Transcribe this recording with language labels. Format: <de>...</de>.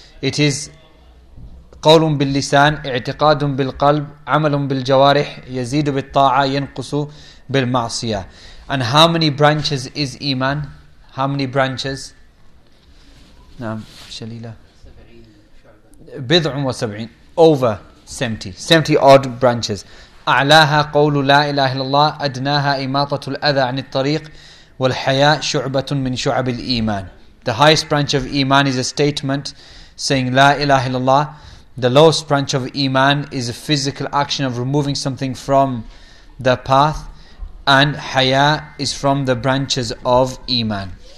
<en>It is</en> <ar>قول باللسان, اعتقاد بالقلب, عمل بالجوارح, يزيد بالطاعة, ينقص بالمعصية.</ar> <en>And how many branches is Iman? How many branches?</en> <ar>نعم شليلة.</ar> <en>70. Over 70. 70 odd branches.</en> <ar>أعلاها قول لا إله إلا الله, أدناها إماطة الأذى عن الطريق, والحياء شعبة من شعب الإيمان.</ar> <en>The highest branch of Iman is a statement saying La ilaha illallah. The lowest branch of Iman is a physical action of removing something from the path, and Haya is from the branches of Iman.</en>